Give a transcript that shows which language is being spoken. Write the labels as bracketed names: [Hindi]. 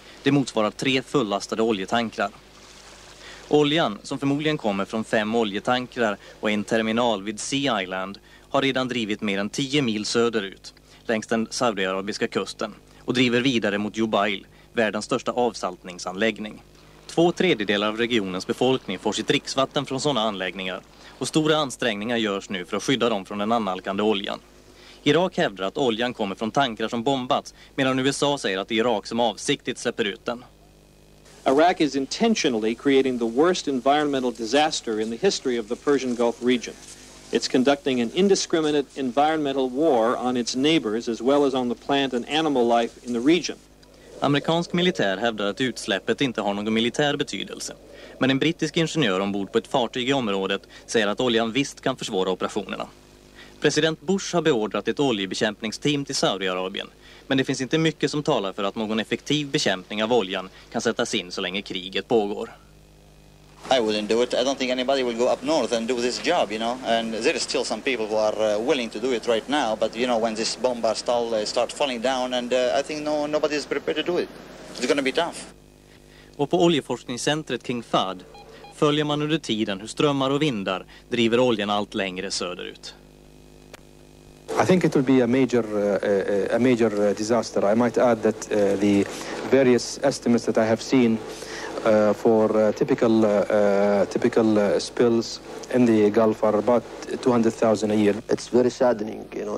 [Swedish] Det motsvarar 3 fullastade oljetankrar. Oljan, som förmodligen kommer från 5 oljetankrar och en terminal vid Sea Island, har redan drivit mer än 10 mil söderut, längs den saudiarabiska kusten, och driver vidare mot Jubail, världens största avsaltningsanläggning. 2/3 av regionens befolkning får sitt dricksvatten från sådana anläggningar, och stora ansträngningar görs nu för att skydda dem från den annalkande oljan. Irak hävdar att oljan kommer från tankrar som bombats, medan USA säger att det är Irak som avsiktligt släpper ut den. [English] Iraq is intentionally creating the worst environmental disaster in the history of the Persian Gulf region. It's conducting an indiscriminate environmental war on its neighbors as well as on the plant and animal life in the region. [Swedish] Amerikansk militär hävdar att utsläppet inte har någon militär betydelse. Men en brittisk ingenjör ombord på ett fartyg i området säger att oljan visst kan försvåra operationerna. President Bush har beordrat ett oljebekämpningsteam till Saudiarabien. Men det finns inte mycket som talar för att någon effektiv bekämpning av oljan kan sättas in så länge kriget pågår. [English] I wouldn't do it. I don't think anybody will go up north and do this job, you know. And there is still some people who are willing to do it right now, but you know, when this bombs start falling down, and I think nobody is prepared to do it. It's going to be tough. [Swedish] Och på oljeforskningscentret King Fahd följer man under tiden hur strömmar och vindar driver oljan allt längre söderut. [English] I think it will be a major disaster. I might add that the various estimates that I have seen for typical spills in the Gulf are about 200,000 a year. It's very saddening, you know.